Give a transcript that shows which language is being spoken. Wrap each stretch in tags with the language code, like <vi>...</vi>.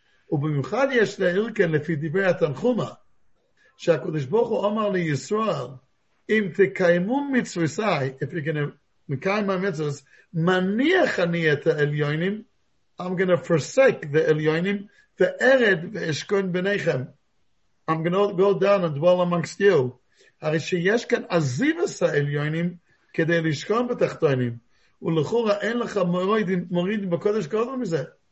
<he>ובמיוחד יש להעיר כן לפי דברי התנחומה, שהקדוש ברוך הוא אמר לישראל, אם תקיימו מצוויסי,</he> <en>if you're going to</en> <he>מקיים</he> <en>my mitzvahs,</en> <he>מניח אני את העליונים,</he> <en>I'm going to forsake the</en> <he>עליונים, וארד ואשכון ביניכם.</he> <en>I'm going to go down and dwell amongst you.</en> <he>הרי שיש כאן עזיבס העליונים כדי לשכון בתחתונים. ולכורה אין לך מוריד בקודש קודם מזה.</he>